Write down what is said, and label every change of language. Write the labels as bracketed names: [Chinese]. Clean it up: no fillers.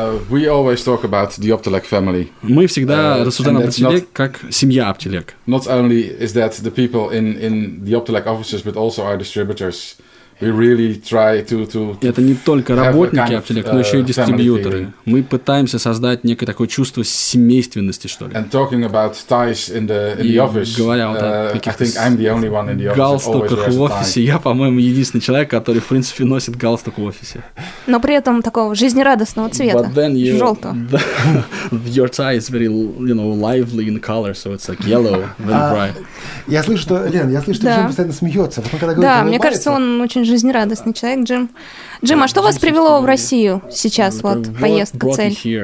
[English] We always talk about the Optelec family. [Russian] Мы всегда рассуждаем об Optelec как семья Optelec. [English] Not only is that the people in the Optelec offices, but also our distributors. We really try to [Russian] это не только работники Optelec, но еще и дистрибьюторы. Мы пытаемся создать некое такое чувство семейственности, что ли. [English] And talking about ties in the office. [Russian] Говоря вот о каких-то галстуках в офисе, я, по-моему, единственный человек, который, в принципе, носит галстук в офисе. Но при этом такого жизнерадостного цвета, желтого. [English] Your tie is very, you know, lively in color, so it's like yellow, very bright. [Russian] Я слышу, что, Лен, я слышу, что Джим постоянно смеется. Потом, когда да, мне кажется, он очень жизнерадостный человек, Джим. Джим, а что вас привело в Россию сейчас, вот, поездка, цель?